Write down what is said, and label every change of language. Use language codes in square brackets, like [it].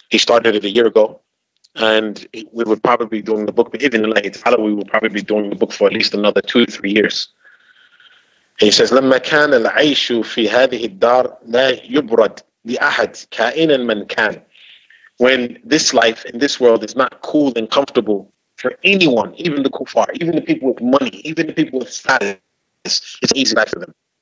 [en] He started it a year ago, and we would probably be doing the book, even in Allah Ta'ala, we will probably be doing the book for at least another 2 or 3 years. He says, [ar] لَمَّا كَانَ الْعَيْشُ فِي هَذِهِ الدَّارِ لَا يُبْرَدْ لِأَحَدْ كَائِنًا مَنْ كَانَ. [en] When this life in this world is not cool and comfortable for anyone, even the kuffar, even the people with money, even the people with status, it's an easy life for them.